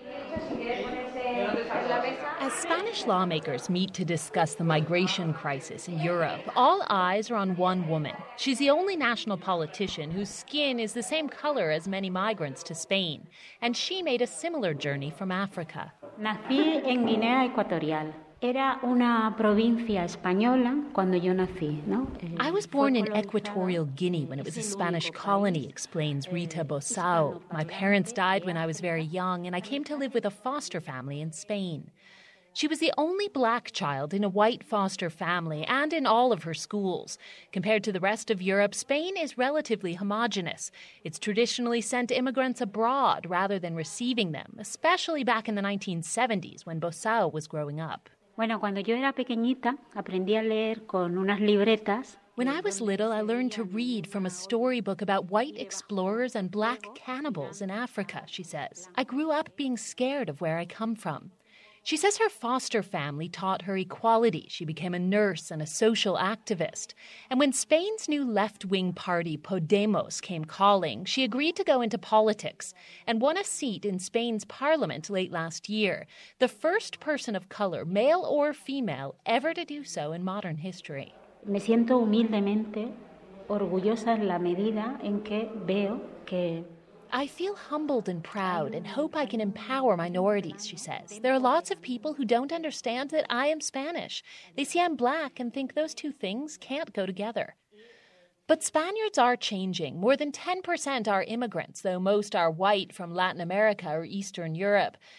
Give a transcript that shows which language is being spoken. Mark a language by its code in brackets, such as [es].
[en] As Spanish lawmakers meet to discuss the migration crisis in Europe, all eyes are on one woman. She's the only national politician whose skin is the same color as many migrants to Spain, and she made a similar journey from Africa. [es] Nací en Guinea Ecuatorial. Era una provincia española cuando yo nací, ¿no? [en] I was born in Equatorial Guinea when it was a Spanish colony, explains Rita Bosao. My parents died when I was very young, and I came to live with a foster family in Spain. She was the only black child in a white foster family and in all of her schools. Compared to the rest of Europe, Spain is relatively homogenous. It's traditionally sent immigrants abroad rather than receiving them, especially back in the 1970s when Bosao was growing up. [es] Bueno, cuando yo era pequeñita, aprendí a leer con unas libretas. [en] When I was little, I learned to read from a storybook about white explorers and black cannibals in Africa, she says. I grew up being scared of where I come from. She says her foster family taught her equality. She became a nurse and a social activist. And when Spain's new left-wing party, Podemos, came calling, she agreed to go into politics and won a seat in Spain's parliament late last year, the first person of color, male or female, ever to do so in modern history. [es] Me siento humildemente orgullosa en la medida en que veo que... [en] I feel humbled and proud and hope I can empower minorities, she says. There are lots of people who don't understand that I am Spanish. They see I'm black and think those two things can't go together. But Spaniards are changing. More than 10% are immigrants, though most are white from Latin America or Eastern Europe.